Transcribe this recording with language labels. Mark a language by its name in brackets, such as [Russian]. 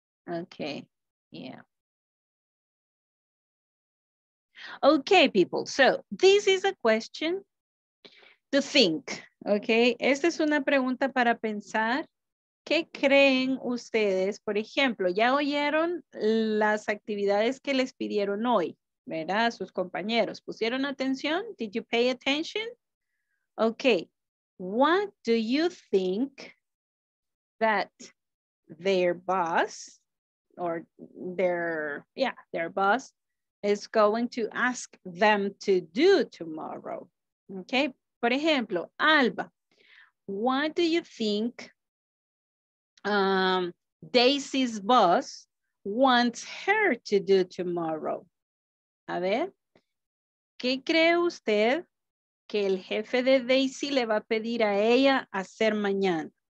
[English] Okay, yeah. Okay, people, so this is a question to think, okay? [Spanish] Esta es una pregunta para pensar. ¿Qué creen ustedes? Por ejemplo, ya oyeron las actividades que les pidieron hoy, ¿verdad? Sus compañeros. ¿Pusieron atención? [English] Did you pay attention? Okay. What do you think that their boss or their boss is going to ask them to do tomorrow? Okay. [Spanish] Por ejemplo, [English] Alba, what do you think Daisy's boss wants her to do tomorrow? [Spanish] A ver, ¿qué cree usted que el jefe de Daisy le va a pedir a ella hacer mañana?